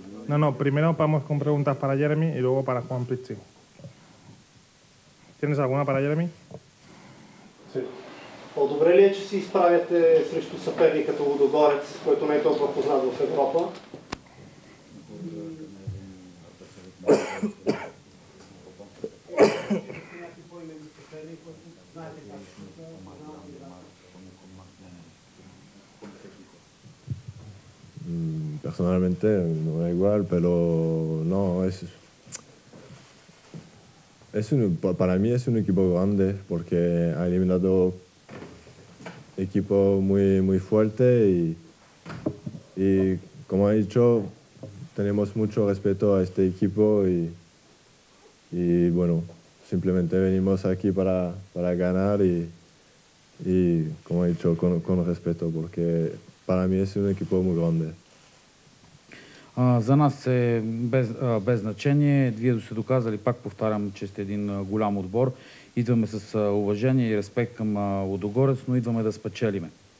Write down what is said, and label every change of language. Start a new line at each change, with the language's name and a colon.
Spanish: No, no, primero vamos con preguntas para Jeremy y luego para Juan Pichi. ¿Tienes alguna para Jeremy? Sí.
Bulgarian: По-добре ли е, че си изправяте срещу съперник като Лудогорец, който не е толкова познат в Европа?
Spanish: Personalmente no es igual, pero no, para mí es un equipo grande porque ha eliminado equipo muy, muy fuerte y como he dicho, tenemos mucho respeto a este equipo y bueno, simplemente venimos aquí para ganar y como he dicho, con respeto porque para mí es un equipo muy grande.
Bulgarian: За нас е без значение. Вие сте доказали, пак повтарям, че сте един голям отбор. Идваме с уважение и респект към Лудогорец, но идваме да спечелиме.